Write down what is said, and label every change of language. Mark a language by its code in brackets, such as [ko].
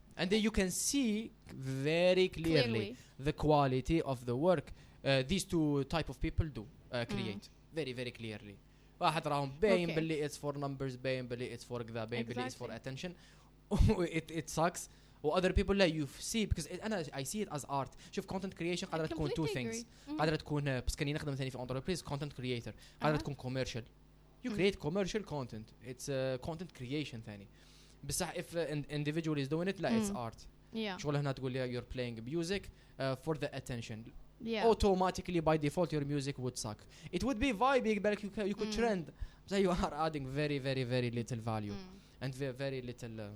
[en] And then you can see very clearly the quality of the work these two type of people do create very, very clearly. [ar] واحد راهم باين بلي [en] it's for numbers, [ar] باين بلي [en] it's for [ar] كذا, [en] باين بلي it's for attention. it sucks. Or other people like you see because it, I see it as art. [ar] شوف [en] content creation [ar] قادرة تكون [en] two things. [ar] قادرة تكون بس كني نخدم ثاني في [en] entrepreneurs content creator. [ar] قادرة تكون [en] commercial. You create commercial content. It's content creation [ar] ثاني. بس [en] if individual is doing it, [ar] لا [en] it's art. Yeah. [ar] شغل هنا تقول لي [en] you're playing music for the attention. Yeah. Automatically by default your music would suck. It would be vibing, but you could trend. So you are adding very very very little value and very little.